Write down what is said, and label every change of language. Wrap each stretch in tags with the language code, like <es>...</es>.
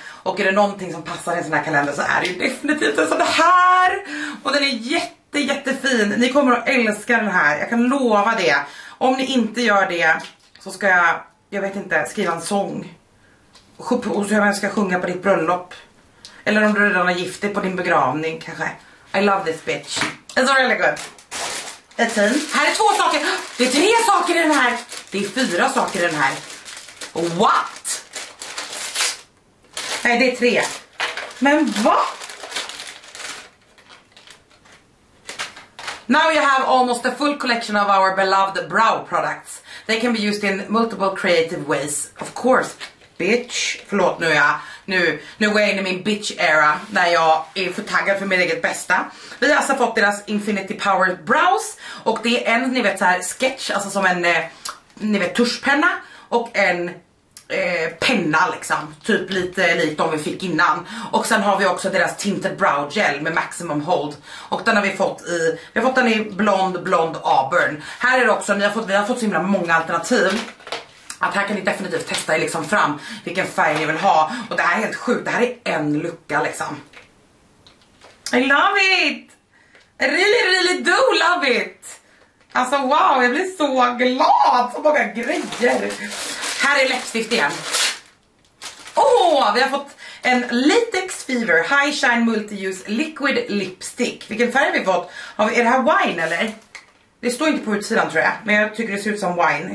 <sv>Och är det någonting som passar i en sån här kalender så är det ju definitivt en sån här. Och den är jättefin, ni kommer att älska den här, jag kan lova det. Om ni inte gör det så ska jag, jag vet inte, skriva en sång. Och så jag ska sjunga på ditt bröllop. Eller om du redan har gift dig på din begravning kanske.</sv> <en>I love this bitch, it's really good.</en> <sv>Ett fin. Här är 2 saker, det är 3 saker i den här. Det är 4 saker i den här. What? Nej, det är 3. Men vad?</sv> <en>Now you have almost a full collection of our beloved brow products. They can be used in multiple creative ways. Of course, bitch.</en> <sv>Förlåt, nu är jag. Nu går jag in i min bitch era när jag är för taggad för min eget bästa. Vi har alltså fått deras Infinity Power Brows och det är en, ni vet, så här sketch, alltså som en, ni vet, tuschpenna och en penna liksom, typ lite likt de vi fick innan. Och sen har vi också deras Tinted Brow Gel med Maximum Hold och den har vi fått i, vi har fått den i blond auburn. Här är det också, vi har fått så himla många alternativ. Att här kan ni definitivt testa er liksom fram vilken färg ni vill ha. Och det här är helt sjukt, det här är en lucka liksom.</sv> <en>I love it! Really really do love it!</en> <sv>Alltså wow, jag blir så glad, så många grejer. Här är läppstift igen. Åh, oh, vi har fått en Latex Fever High Shine Multi-Use Liquid Lipstick. Vilken färg vi fått? Är det här wine eller? Det står inte på utsidan tror jag, men jag tycker det ser ut som wine.</sv>